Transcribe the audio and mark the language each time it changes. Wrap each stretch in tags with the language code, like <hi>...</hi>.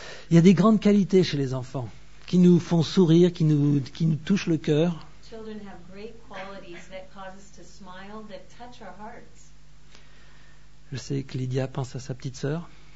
<fr>Il y a des grandes qualités chez les enfants qui nous font sourire, qui nous touchent le cœur.</fr> <en>Children have great qualities that cause us to smile, that touch our hearts.</en> <fr>Je sais que Lydia pense à sa petite sœur.</fr>